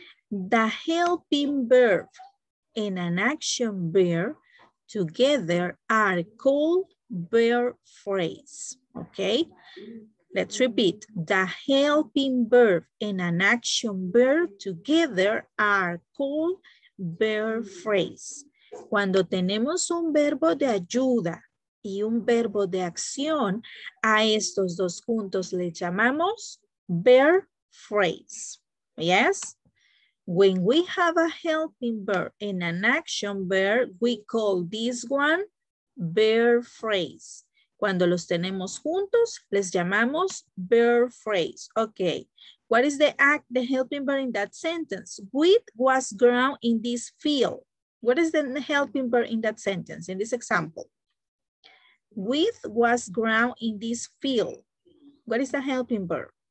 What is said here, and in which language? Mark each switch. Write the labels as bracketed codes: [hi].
[en] The helping verb and an action verb together are called verb phrase. Okay, let's repeat. The helping verb and an action verb together are called verb phrase. [es] Cuando tenemos un verbo de ayuda y un verbo de acción, a estos dos juntos le llamamos verb phrase. [en] Yes? When we have a helping verb and an action verb, we call this one verb phrase. [es] Cuando los tenemos juntos, les llamamos verb phrase. [en] Okay. What is the act, the helping verb in that sentence? Wheat was grown in this field. What is the helping verb in that sentence, in this example? Wheat was grown in this field. What is the helping verb?